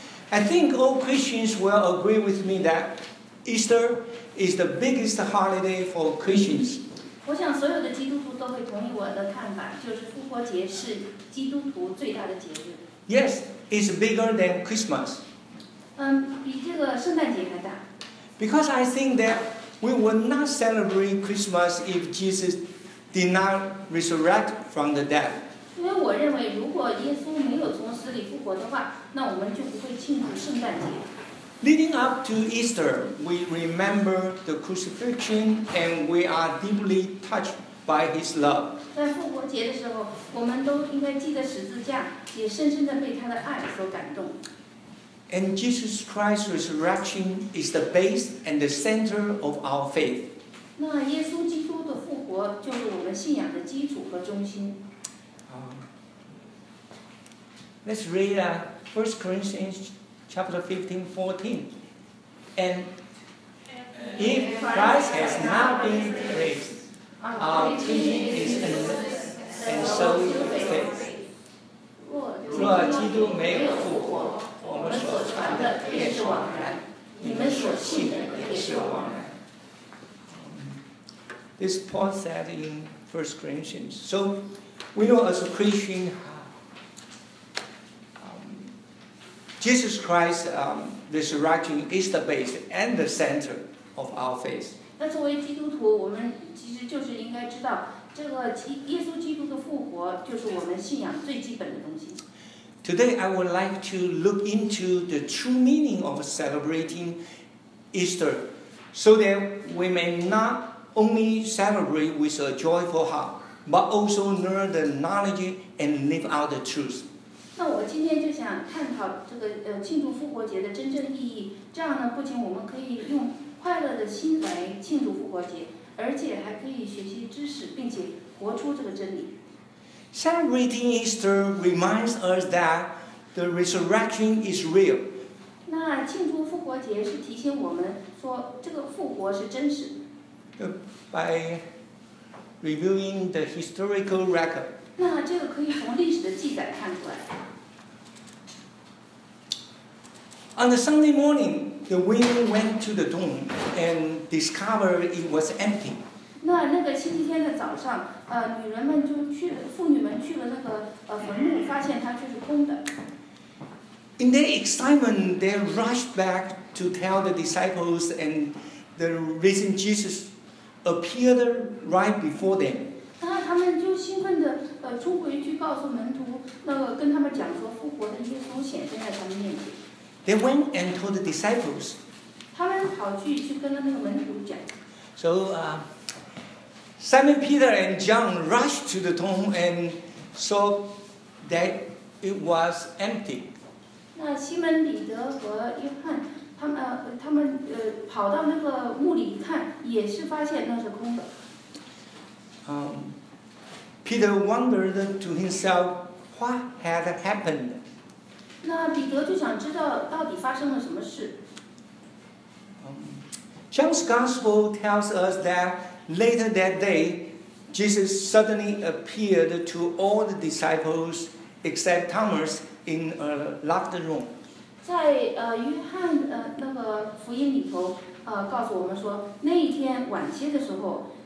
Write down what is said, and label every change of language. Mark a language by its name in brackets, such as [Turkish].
[English] I think all Christians will agree with me that Easter is the biggest holiday for Christians. [Chinese] 我想所有的基督徒都会同意我的看法，就是复活节是基督徒最大的节日。 [English] Yes, it's bigger than Christmas. [Chinese] 比这个圣诞节还大。 [English] Because I think that we would not celebrate Christmas if Jesus did not resurrect from the dead. [Chinese] 因为我认为如果耶稣没有从死里复活的话，那我们就不会庆祝圣诞节。 [English] Leading up to Easter, we remember the crucifixion and we are deeply touched by His love. [Chinese] 在复活节的时候，我们都应该记得十字架，也深深地被他的爱所感动。 [English] And Jesus Christ's resurrection is the base and the center of our faith. [Chinese] 那耶稣基督的复活就是我们信仰的基础和中心。 [English] Let's read 1 Corinthians chapter 15:14. And if Christ has not been raised, our preaching is useless, and so is your faith. [Chinese] 若基督没有复活，我们所传的也是枉然，你们所信的也是枉然。 [English] This Paul said in 1 Corinthians. So we know as a Christian,Jesus Christ, resurrection is the base and the center of our faith. [Chinese] 那作为基督徒，我们其实就是应该知道，这个耶稣基督的复活就是我们信仰最基本的东西。 [English] Today, I would like to look into the true meaning of celebrating Easter, so that we may not only celebrate with a joyful heart, but also learn the knowledge and live out the truth. [Chinese] 那我今天就想探讨这个庆祝复活节的真正意义。这样呢，不仅我们可以用快乐的心来庆祝复活节，而且还可以学习知识，并且活出这个真理。 [English] Celebrating Easter reminds us that the resurrection is real. [Chinese] 那庆祝复活节是提醒我们说，这个复活是真实的。 [English] By reviewing the historical record. [Chinese] 那这个可以从历史的记载看出来。 [English] On the Sunday morning, the women went to the tomb and discovered it was empty. [Chinese] 那个星期天的早上，女人们就去了，妇女们去了那个坟墓，发现它却是空的。 [English] In their excitement, they rushed back to tell the disciples, and the risen Jesus appeared right before them. [Chinese] 那他们就兴奋地冲回去告诉门徒，那个跟他们讲说复活的耶稣显现在他们面前。 [English] They went and told the disciples. [Chinese] 他们跑去跟那个门徒讲。 [English] So, Simon Peter and John rushed to the tomb and saw that it was empty. [Chinese] 那西门彼得和约翰，他们跑到那个墓里一看，也是发现那是空的。 [English] Peter wondered to himself what had happened. [Chinese] 那彼得就想知道到底发生了什么事。 [English] John's Gospel tells us that later that day, Jesus suddenly appeared to all the disciples except Thomas in a locked room. [Chinese] 在约翰那个福音里头，告诉我们说那一天晚些的时候。